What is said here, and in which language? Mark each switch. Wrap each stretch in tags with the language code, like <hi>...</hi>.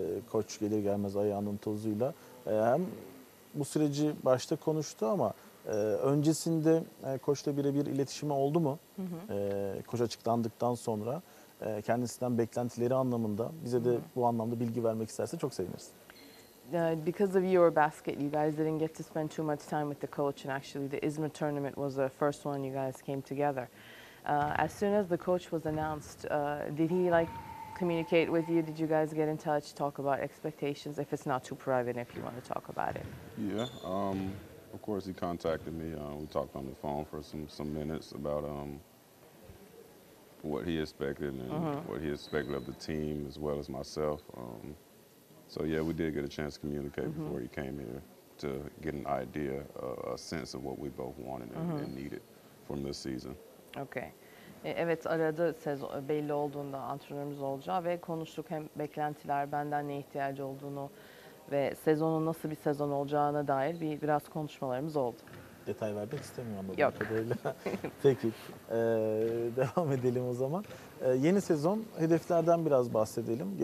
<tr>Koç gelir gelmez ayağının tozuyla. Hem bu süreci başta konuştu, ama öncesinde koçla birebir iletişimi oldu mu? Hı hı. Koç açıklandıktan sonra kendisinden beklentileri anlamında bize de bu anlamda bilgi vermek isterse çok seviniriz.</tr> <en>Because of Eurobasket, you guys didn't get to spend too much time with the coach, and actually the İzmir tournament was the first one you guys came together. As soon as the coach was announced, did he like communicate with you? Did you guys get in touch, talk about expectations, if it's not too private, if you want to talk about it? Yeah, of course he contacted me. We talked on the phone for some minutes about what he expected and what he expected of the team as well as myself. So yeah, we did get a chance to communicate before he came here to get an idea, a sense of what we both wanted and needed from this season. Okay.</en> <tr>Evet, aradı sezon belli olduğunda antrenörümüz olacağı ve konuştuk hem beklentiler, benden ne ihtiyacı olduğunu ve sezonun nasıl bir sezon olacağına dair biraz konuşmalarımız oldu. Detay vermek istemiyorum ama yok. Bu kadarıyla. Peki, devam edelim o zaman. Yeni sezon, hedeflerden biraz bahsedelim.</tr>